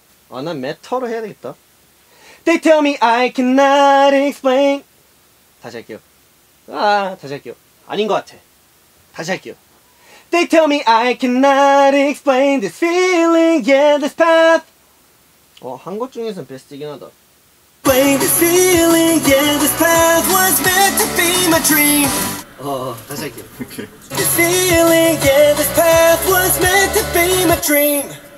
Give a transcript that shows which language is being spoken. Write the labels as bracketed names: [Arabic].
[Korean] 아, 난 matter로 해야 되겠다. [English] They tell me I cannot explain. [Korean] 다시 할게요. 아, 다시 할게요. 아닌 것 같아. 다시 할게요. [English] They tell me I cannot explain this feeling, yeah, this path. [Korean] 어, 한 것 중에서는 베스트이긴 하다. [English] Explain this feeling, yeah, this path was meant to be my dream. [Korean] 어, 다시 할게요. [English] Okay. This feeling, yeah, this path was meant to be my dream.